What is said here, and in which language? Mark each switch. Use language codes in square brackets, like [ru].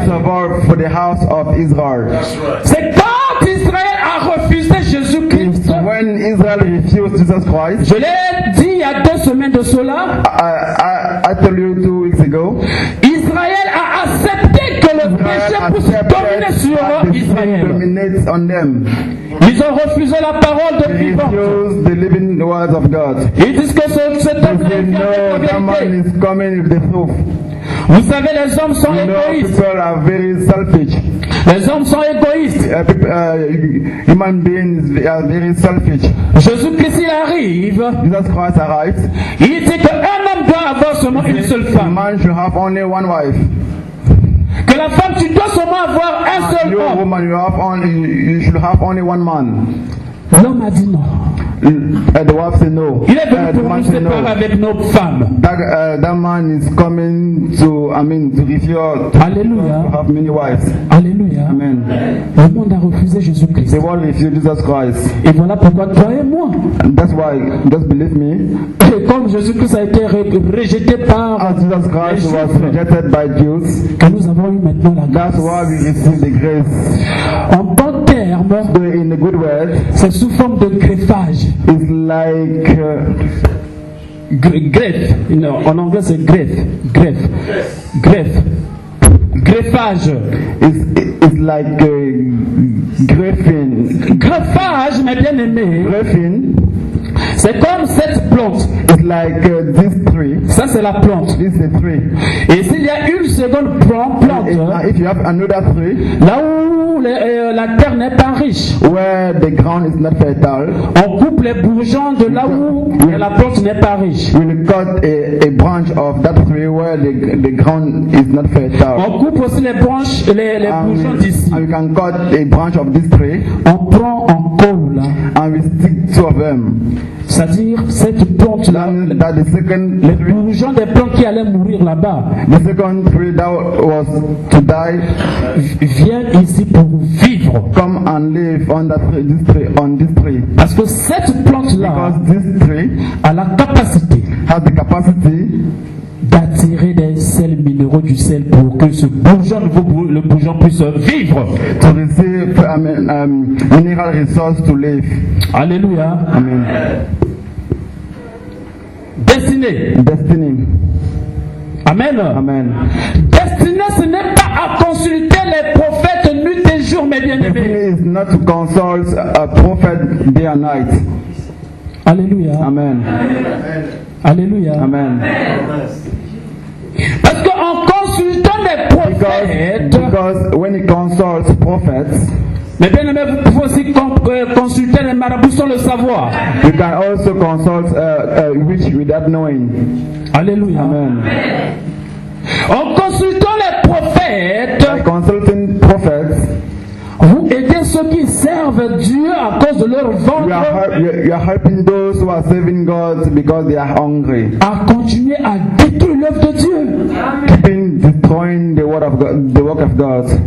[en] First of all for the house of Israel. [fr] C'est quand Israël a refusé Jésus-Christ. [en] When Israel refused Jesus Christ. [fr] Je l'ai dit il y a deux semaines de cela. [en] I told you 2 weeks ago. [fr] Israël a accepté que le péché puisse dominer sur Israël. [en] Dominates on them. [fr] Ils ont refusé la parole de vivant. [en] They refused the living word of God. [fr] Ils disent que cet homme est venu avec la [en] coming with the truth. [fr] Vous savez, les hommes sont égoïstes. [en] People are very selfish. [fr] Les hommes sont égoïstes. [en] Human beings are very selfish. [fr] Jésus-Christ il arrive. [en] Jesus Christ arrives. [fr] Il dit qu'un homme doit avoir seulement une seule femme. [en] A man should have only one wife. [fr] Que la femme, tu dois seulement avoir un seul [en] you [fr] homme. [en] A woman, you should have only one man. [fr] L'homme a dit non. [en] The wife said no. [fr] Il est venu pour nous séparer avec nos femmes. [en] That man is coming to refuse. Alléluia. To have many wives. Alléluia. Amen. [fr] Le monde a refusé Jésus Christ. [en] The world refused Jesus Christ. [fr] Et voilà pourquoi toi et moi. [en] And that's why, just believe me. [fr] Et comme Jésus Christ a été rejeté par [en] as Jesus Christ [fr] les [en] was rejected by Jews, [fr] que nous avons eu maintenant la grâce. [en] That's why we receive the grace. [fr] En bon terme, [en] but in a good word, [fr] c'est sous forme de greffage. [en] It's like [fr] greffe. No, en anglais c'est greffe. Greffe. Greffe. Greffage. [en] It's like greffing. [fr] Greffage, mes bien-aimés. [en] Greffing. [fr] C'est comme cette plante. [en] It's like this tree. [fr] Ça c'est la plante. [en] This is the tree. [fr] Et s'il y a une seconde plante, [en] if you have another tree, [fr] là où la terre n'est pas riche, [en] where the ground is not fertile, [fr] on coupe les bourgeons de là où la plante n'est pas riche. [en] We cut a branch of that tree where the ground is not fertile. [fr] On coupe aussi les branches, les bourgeons d'ici. [en] And we can cut a branch of this tree. [fr] On prend en colle. [en] And we stick two of them. [fr] C'est-à-dire cette plante là, les bourgeons des plantes qui allaient mourir là-bas, [en] the second tree that was to die, [fr] vient ici pour vivre. [en] Come and live on that tree, this tree, on this tree. [fr] Parce que cette plante là, [en] because this tree, [fr] a la capacité, [en] has the capacity, [fr] d'attirer des sels minéraux du sel pour que ce bourgeon nouveau, le bourgeon puisse vivre. [en] To receive mineral resource to live. Alléluia. Amen. [fr] Destinée. [en] Destiny. Amen. Amen. [fr] Destinée, ce n'est pas à consulter les prophètes nuit et jour, mes bien-aimés. [en] Destiny is not to consult a prophet day and night. Alléluia. Amen. Amen. Alléluia. Amen. [fr] Parce qu'en consultant les prophètes, [en] because when he consults prophets, [fr] mais bien aimé, vous pouvez aussi consulter les marabouts sans le savoir. [en] You can also consult witch without knowing. Alléluia. Amen. [fr] En consultant les prophètes, [en] by consulting prophets, [fr] vous aidez ceux qui servent Dieu à cause de leur ventre. [en] You are helping those who are serving God because they are hungry. [fr] À continuer à détruire l'œuvre de Dieu. [en] Keeping destroying the word of God, the work of God.